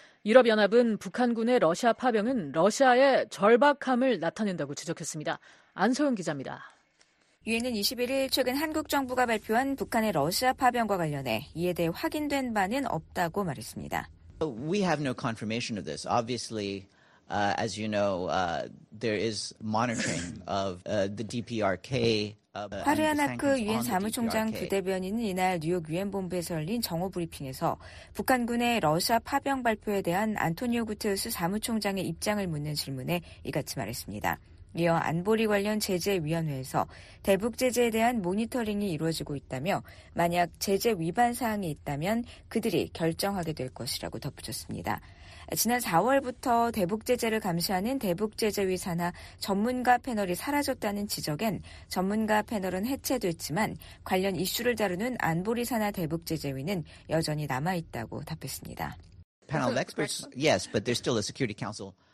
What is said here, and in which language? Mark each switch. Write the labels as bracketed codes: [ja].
[ko] 유럽연합은 북한군의 러시아 파병은 러시아의 절박함을 나타낸다고 지적했습니다. 안소영 기자입니다. 유엔은 21일 최근 한국 정부가 발표한 북한의 러시아 파병과 관련해 이에 대해 확인된 바는 없다고 말했습니다. [en] We have no confirmation of this. Obviously, as you know, there is monitoring of the DPRK. [ko] 파르야나크 유엔 사무총장 부대변인은 이날 뉴욕 유엔 본부에서 열린 정오 브리핑에서 북한군의 러시아 파병 발표에 대한 안토니오 구테우스 사무총장의 입장을 묻는 질문에 이같이 말했습니다. 이어 안보리 관련 제재위원회에서 대북 제재에 대한 모니터링이 이루어지고 있다며 만약 제재 위반 사항이 있다면 그들이 결정하게 될 것이라고 덧붙였습니다. 지난 4월부터 대북 제재를 감시하는 대북 제재위 산하 전문가 패널이 사라졌다는 지적엔 전문가 패널은 해체됐지만 관련 이슈를 다루는 안보리 산하 대북 제재위는 여전히 남아있다고 답했습니다. [en] Panel of experts, yes, but there's still a Security Council.